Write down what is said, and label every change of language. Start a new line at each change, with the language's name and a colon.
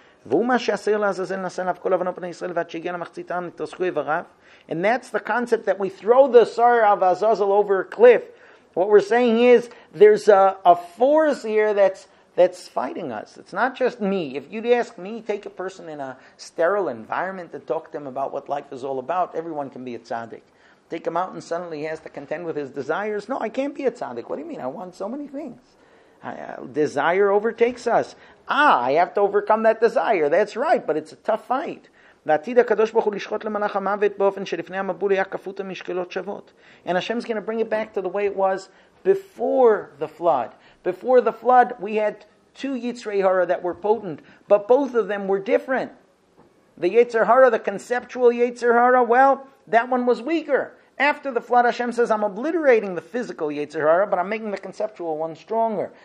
Hebrew: והוא מה שעשה לעזאזל נעשה לב כל אבנו בני ישראל ועד שהגיע למחציתם נתרסקו עבריו.
English: And that's the concept that we throw the Sar of Azazel over a cliff. What we're saying is there's a force here that's fighting us. It's not just me. If you'd ask me, take a person in a sterile environment to talk to them about what life is all about, everyone can be a tzaddik. Take him out and suddenly he has to contend with his desires. No, I can't be a tzaddik. What do you mean? I want so many things. Desire overtakes us. I have to overcome that desire. That's right, but it's a tough fight.
Hebrew: ועתיד הקדוש ברוך הוא לשחוט למלאך המוות באופן שלפני המבול היה כפות המשקלות שוות.
English: And Hashem's going to bring it back to the way it was before the flood. Before the flood, we had two Yitzrei Hara that were potent, but both of them were different. The Yitzer Hara, the conceptual Yitzer Hara, well, that one was weaker. After the flood, Hashem says, I'm obliterating the physical Yitzer Hara, but I'm making the conceptual one stronger.